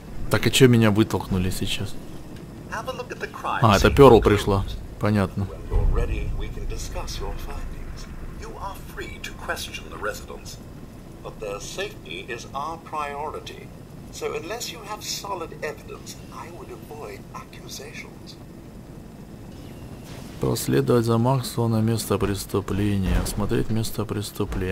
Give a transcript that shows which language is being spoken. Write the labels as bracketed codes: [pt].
[ru] Так и че меня вытолкнули сейчас? [en] Have a look at the crime. [ru] А, это Перл пришла. Понятно. [en] When you're ready, we can discuss your findings. You are free to question the residents. But their safety is our priority. So unless you have solid evidence, I would avoid accusations. [ru] Проследовать за Максвелл на место преступления. Смотреть место преступления.